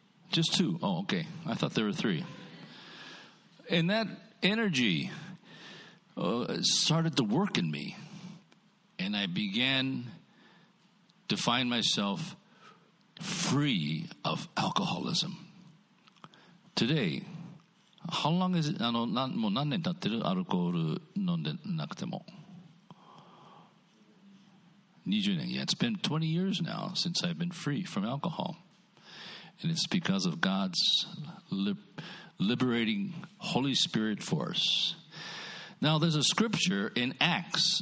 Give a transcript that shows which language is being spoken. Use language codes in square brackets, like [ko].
[en] Just two. Oh, okay. I thought there were three. And that energy started to work in me, and I began to find myself free of alcoholism. Today, how long is it? [ja] もう何年経ってる?アルコール飲んでなくても。 20年。 [en] Yeah, it's been 20 years now since I've been free from alcohol. And it's because of God's liberating Holy Spirit force. Now, there's a scripture in Acts.